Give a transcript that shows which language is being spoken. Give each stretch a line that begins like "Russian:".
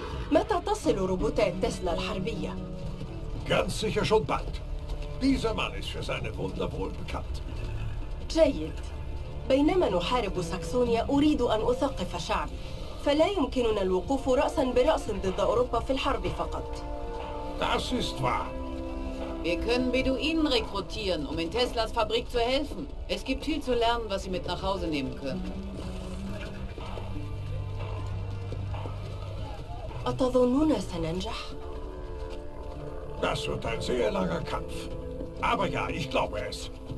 Arabic: متى تصل روبوتات تسلا الحربية؟
German: Ganz sicher schon bald. Dieser Mann ist für seine Wunder wohl bekannt.
Arabic: جيد. بينما نحارب ساكسونيا أريد أن أثقف شعبي. فلا يمكننا الوقوف رأسا برأس ضد أوروبا في الحرب فقط.
German: Das ist wahr. Wir können Beduinen rekrutieren, um in Teslas Fabrik zu helfen. Es gibt viel zu lernen, was sie mit nach Hause nehmen können.
Arabic: أتظنون سننجح؟
German: Das wird ein sehr langer Kampf. Aber ja, ich glaube es.